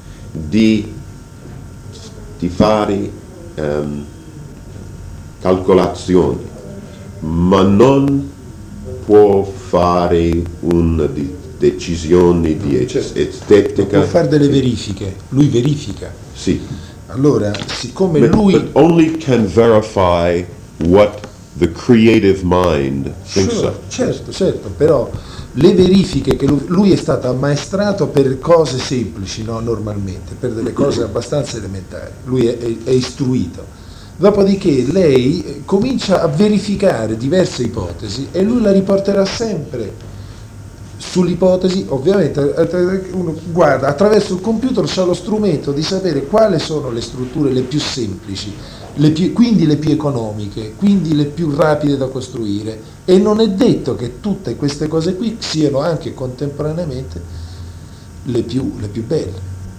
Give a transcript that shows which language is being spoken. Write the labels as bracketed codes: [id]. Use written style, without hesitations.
[it] di fare calcolazioni, ma non può fare una decisione di estetica. Può fare delle verifiche, lui verifica. Sì. Allora, siccome lui... [en] But only can verify what the creative mind thinks, sure, of. [it] Certo, certo, però le verifiche che lui è stato ammaestrato per cose semplici, no, normalmente, per delle cose abbastanza elementari, lui è istruito. Dopodiché lei comincia a verificare diverse ipotesi e lui la riporterà sempre sull'ipotesi, ovviamente uno guarda attraverso il computer, c'ha lo strumento di sapere quali sono le strutture le più semplici, quindi le più economiche, quindi le più rapide da costruire, e non è detto che tutte queste cose qui siano anche contemporaneamente le più belle.